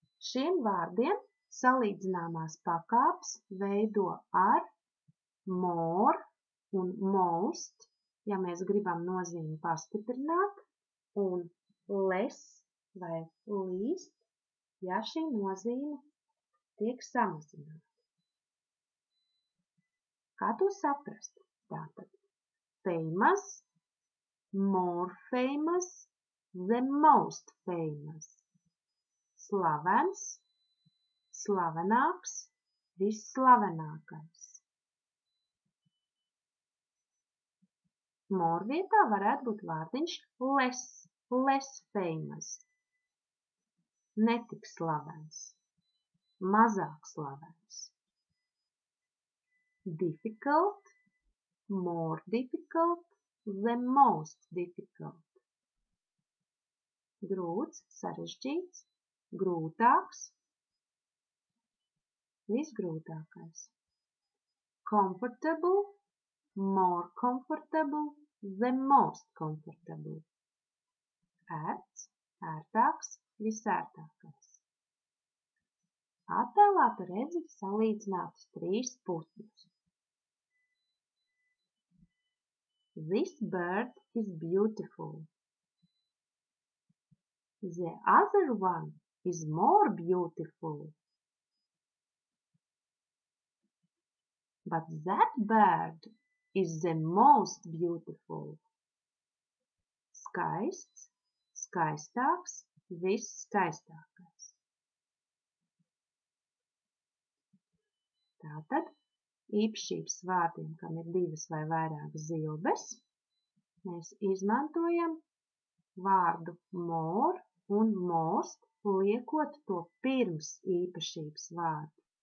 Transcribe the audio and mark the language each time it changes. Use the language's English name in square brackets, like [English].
[Latvian] Šiem vārdiem salīdzināmās pakāpes veido ar more un most, ja mēs gribam nozīmi pastiprināt, un less vai least, ja šī nozīme tiek samazināta. Kā to saprast? Tātad, [English] famous, more famous, the most famous. [Latvian] Slavens, slavenāks, visslavenākais. More vietā varētu būt vārdiņš less, [English] less famous. [Latvian] Netik slavens, mazāk slavens. [English] Difficult, more difficult, the most difficult. [Latvian] Grūts, sarežģīts, grūtāks, visgrūtākais. [English] Comfortable, more comfortable than most comfortable. [Latvian] Ērts, ērtāks, visērtākais. Attēlā tu redzi salīdzinātus trīs putnus. [English] This bird is beautiful. The other one is more beautiful. But that bird is the most beautiful. [Latvian] Skaists, skaistāks, viss skaistākais. Tātad, īpašības vārdiem, kam ir divas vai vairāk zilbes, mēs izmantojam vārdu more un most, liekot to pirms īpašības vārdu.